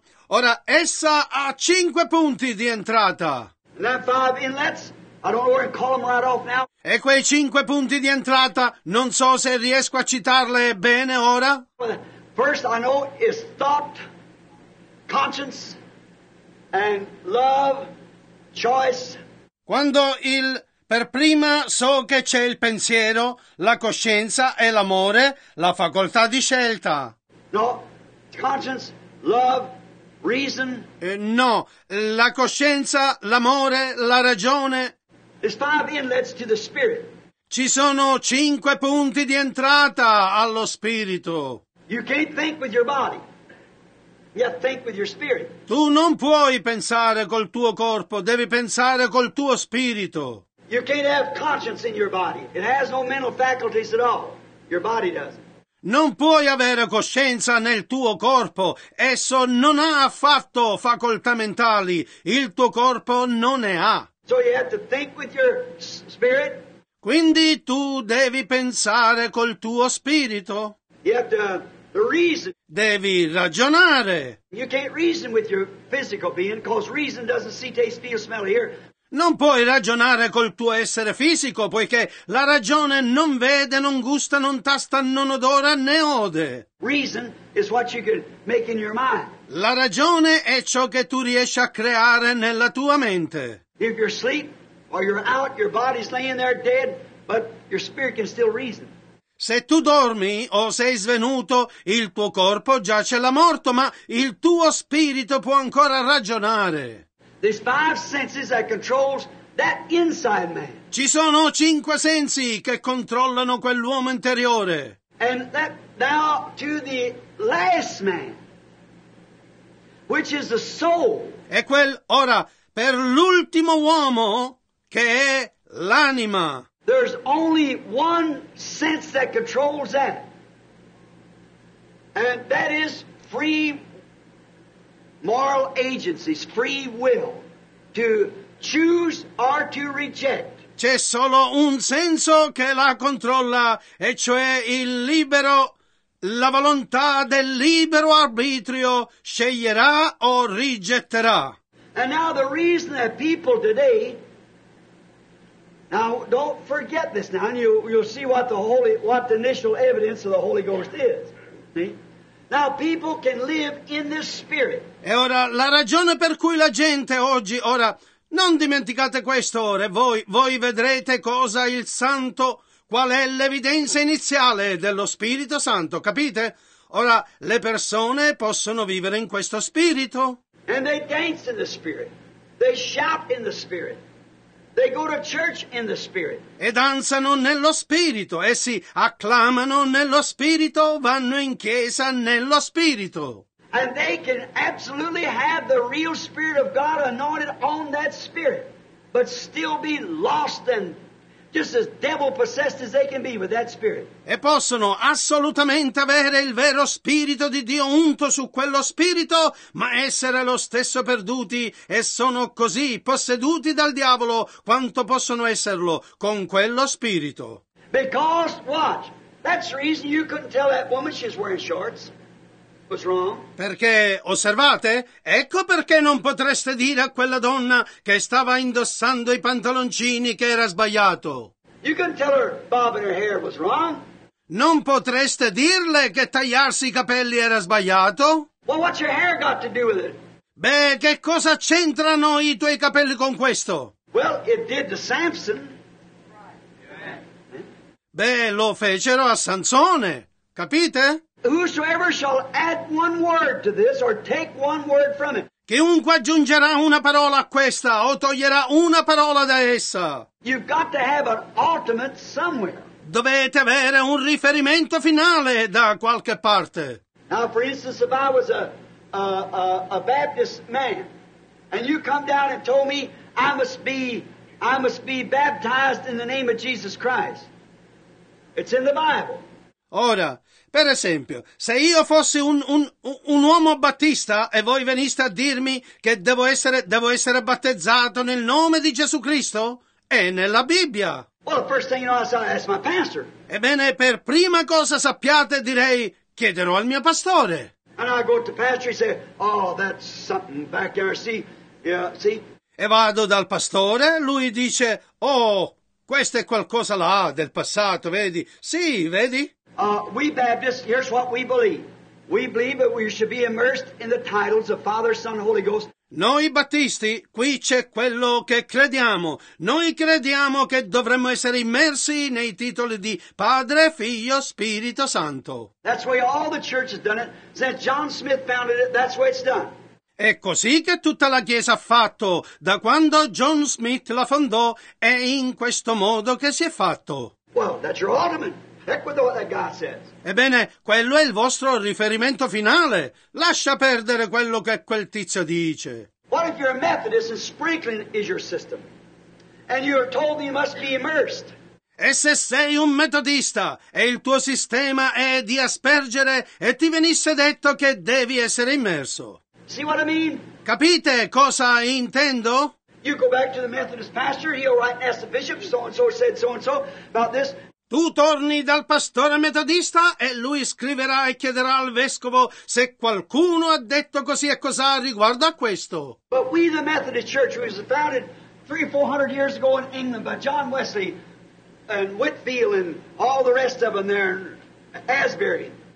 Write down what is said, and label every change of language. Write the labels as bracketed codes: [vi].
[it] Ora essa ha cinque punti di entrata. [en] That five inlets, I don't know where to call them right off now. [it] E quei cinque punti di entrata, non so se riesco a citarle bene ora. [en] First I know is thought, conscience and love, choice. [it] Quando per prima so che c'è il pensiero, la coscienza e l'amore, la facoltà di scelta. [en] No, conscience, love, reason. [it] No, la coscienza, l'amore, la ragione. [en] There's five inlets to the spirit. [it] Ci sono cinque punti di entrata allo spirito. [en] You can't think with your body. Yeah, think with your spirit. [it] Tu non puoi pensare col tuo corpo, devi pensare col tuo spirito. [en] You can't have conscience in your body. It has no mental faculties at all. Your body doesn't. [it] Non puoi avere coscienza nel tuo corpo. Esso non ha affatto facoltà mentali. Il tuo corpo non ne ha. [en] So you have to think with your spirit. [it] Quindi tu devi pensare col tuo spirito. [en] You have to reason. [it] Devi ragionare. [en] You can't reason with your physical being, because reason doesn't see, taste, feel, smell, hear. [it] Non puoi ragionare col tuo essere fisico, poiché la ragione non vede, non gusta, non tasta, non odora, né ode. [en] Reason is what you can make in your mind. [it] La ragione è ciò che tu riesci a creare nella tua mente. [en] If you're asleep or you're out, your body's laying there dead, but your spirit can still reason. [it] Se tu dormi o sei svenuto, il tuo corpo giace là morto, ma il tuo spirito può ancora ragionare. [en] There's five senses that controls that inside man. [it] Ci sono cinque sensi che controllano quell'uomo interiore. [en] And that now to the last man, which is the soul. [it] E quel ora per l'ultimo uomo che è l'anima. [en] There's only one sense that controls that. And that is free moral agencies, free will, to choose or to reject. [it] C'è solo un senso che la controlla, e cioè il libero, la volontà del libero arbitrio, sceglierà o rigetterà. [en] And now the reason that people today... Now, don't forget this now, and you'll see what the initial evidence of the Holy Ghost is. See? Now, people can live in this spirit. [it] E ora, la ragione per cui la gente oggi, ora, non dimenticate questo ora, voi vedrete cosa il Santo, qual è l'evidenza iniziale dello Spirito Santo, capite? Ora, le persone possono vivere in questo spirito. [en] And they dance in the spirit. They shout in the spirit. They go to church in the spirit. [it] E danzano nello spirito, essi acclamano nello spirito, vanno in chiesa nello spirito. [en] And they can absolutely have the real spirit of God anointed on that spirit, but still be lost and just as devil possessed as they can be with that spirit. [it] E possono assolutamente avere il vero spirito di Dio unto su quello spirito, ma essere lo stesso perduti, e sono così posseduti dal diavolo quanto possono esserlo con quello spirito. [en] Because watch, that's the reason you couldn't tell that woman she's wearing shorts. What's wrong? [it] Perché, osservate, ecco perché non potreste dire a quella donna che stava indossando i pantaloncini che era sbagliato. [en] You can tell her bobbing her hair was wrong. [it] Non potreste dirle che tagliarsi i capelli era sbagliato. [en] Well, what's your hair got to do with it? [it] Beh, che cosa c'entrano i tuoi capelli con questo? [en] Well, it did to Samson. [it] Beh, lo fecero a Sansone, capite? [en] Whosoever shall add one word to this or take one word from it. [it] Chiunque aggiungerà una parola a questa o toglierà una parola da essa. [en] You've got to have an ultimate somewhere. [it] Dovete avere un riferimento finale da qualche parte. [en] Now, for instance, if I was a Baptist man, And you come down and told me I must be baptized in the name of Jesus Christ. It's in the Bible. [it] Ora, per esempio, se io fossi un uomo battista e voi veniste a dirmi che devo essere battezzato nel nome di Gesù Cristo, è nella Bibbia. [en] Well, the first thing you know, I'll ask my pastor. [it] Ebbene, per prima cosa sappiate, direi, chiederò al mio pastore. [en] And I go to the pastor and say, oh, that's something back there, see? [it] E vado dal pastore, lui dice, oh, questo è qualcosa là del passato, vedi? Sì, vedi? [en] We Baptists, here's what we believe. We believe that we should be immersed in the titles of Father, Son, and Holy Ghost. [it] Noi Battisti, qui c'è quello che crediamo. Noi crediamo che dovremmo essere immersi nei titoli di Padre, Figlio, Spirito Santo. [en] That's the way all the church has done it. Since John Smith founded it, that's the way it's done. [it] È così che tutta la Chiesa ha fatto, da quando John Smith la fondò, è in questo modo che si è fatto. [en] Well, that's your ultimate. Heck with what that guy says. [it] Ebbene, quello è il vostro riferimento finale. Lascia perdere quello che quel tizio dice. [en] What if you're a Methodist and sprinkling is your system? And you're told you must be immersed. [it] E se sei un metodista e il tuo sistema è di aspergere e ti venisse detto che devi essere immerso? [en] See what I mean? [it] Capite cosa intendo? [en] You go back to the Methodist pastor, he'll write and ask the bishop, so-and-so said so-and-so about this. [it] Tu torni dal pastore metodista e lui scriverà e chiederà al vescovo se qualcuno ha detto così e cosa riguardo a questo. [en] But we the Methodist Church, who was founded 300-400 years ago in England by John Wesley and Whitfield and all the rest of them there in Asbury.